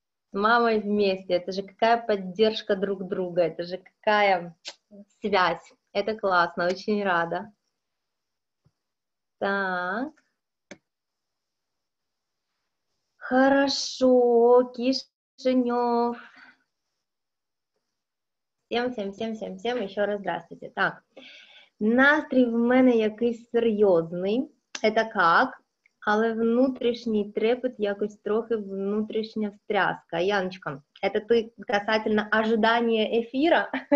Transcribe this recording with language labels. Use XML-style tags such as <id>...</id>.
<ru>С мамой вместе. Это же какая поддержка друг друга, это же какая связь. Это классно, очень рада. Так. Хорошо, Кишинев. Всем еще раз здравствуйте.</ru> <uk>Так, настрій в мене якийсь серйозний.</uk> <ru>Это как?</ru> <uk>Але внутрішній трепет якось трохи внутрішня встряска.</uk> <ru>Яночка, это ты касательно ожидания эфира?</ru>